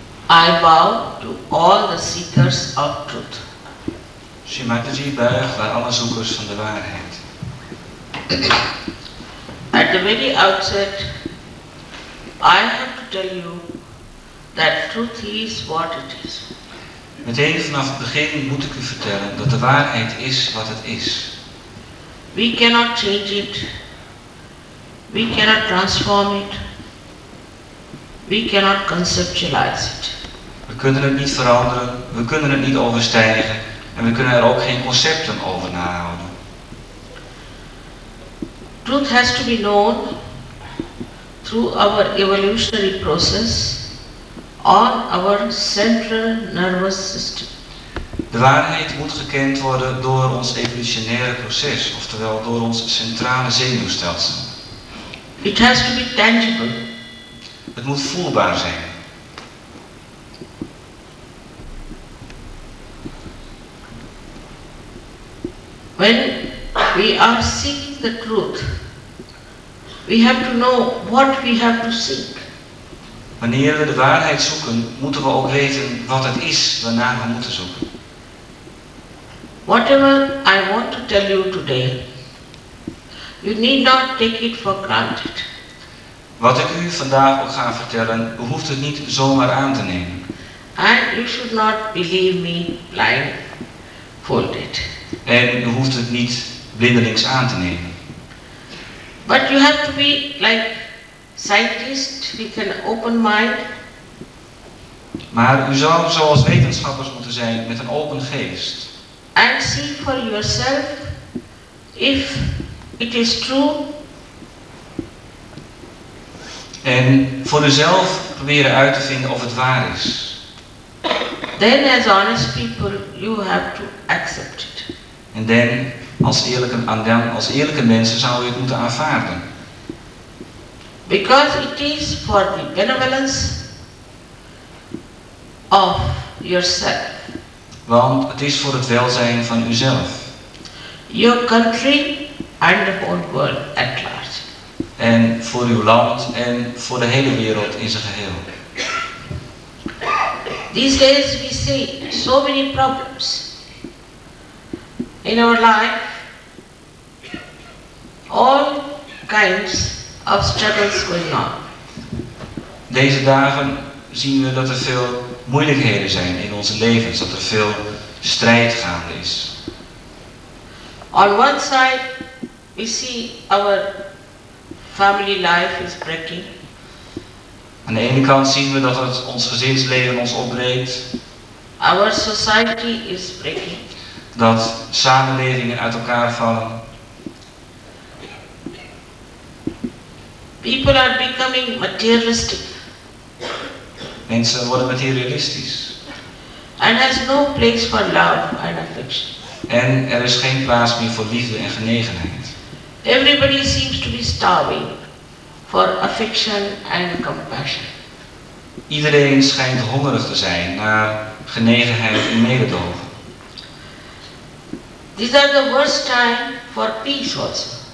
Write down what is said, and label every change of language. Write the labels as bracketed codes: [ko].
[en] I bow to all the seekers of truth. [nl] Shri Mataji buigt bij alle zoekers van de waarheid. [en] At the very outset, I have to tell you that truth is what it is. [nl] Meteen vanaf het begin moet ik u vertellen dat de waarheid is wat het is. [en] We cannot change it. We cannot transform it. We cannot conceptualize it. [nl] We kunnen het niet veranderen, we kunnen het niet overstijgen en we kunnen er ook geen concepten over nahouden. [en] Truth has to be known through our evolutionary process on our central nervous system. [nl] De waarheid moet gekend worden door ons evolutionaire proces, oftewel door ons centrale zenuwstelsel. [en] It has to be tangible. [nl] Het moet voelbaar zijn. [en] When we are seeking the truth, we have to know what we have to seek. [nl] Wanneer we de waarheid zoeken, moeten we ook weten wat het is waarnaar we moeten zoeken. [en] Whatever I want to tell you today, you need not take it for granted. [nl] Wat ik u vandaag ook ga vertellen, u hoeft het niet zomaar aan te nemen. [en] And you should not believe me blind folded. [nl] En u hoeft het niet blindelings aan te nemen. [en] But you have to be like scientists with an open mind. [nl] Maar u zou zoals wetenschappers moeten zijn met een open geest. [en] And see for yourself if it is true. [nl] En voor uzelf proberen uit te vinden of het waar is. [en] Then as honest people you have to accept it. [nl] En dan, als eerlijke mensen, zou je het moeten aanvaarden. [en] Because it is for the benevolence of yourself. [nl] Want het is voor het welzijn van uzelf. [en] Your country and the whole world at large. [nl] En voor uw land en voor de hele wereld in zijn geheel. [en] These days we see so many problems. In our life, all kinds of struggles going on. [nl] Deze dagen zien we dat er veel moeilijkheden zijn in onze levens, dat er veel strijd gaande is. [en] On one side, we see our family life is breaking. [nl] Aan de ene kant zien we dat het ons gezinsleven ons opbreekt. [en] Our society is breaking. [nl] Dat samenlevingen uit elkaar vallen. [en] People are becoming materialistic. [nl] Mensen worden materialistisch. [en] And has no place for love and affection. [nl] En er is geen plaats meer voor liefde en genegenheid. [en] Everybody seems to be starving for affection and compassion. [nl] Iedereen schijnt hongerig te zijn naar genegenheid en mededogen. [en] These are the worst time for peace also.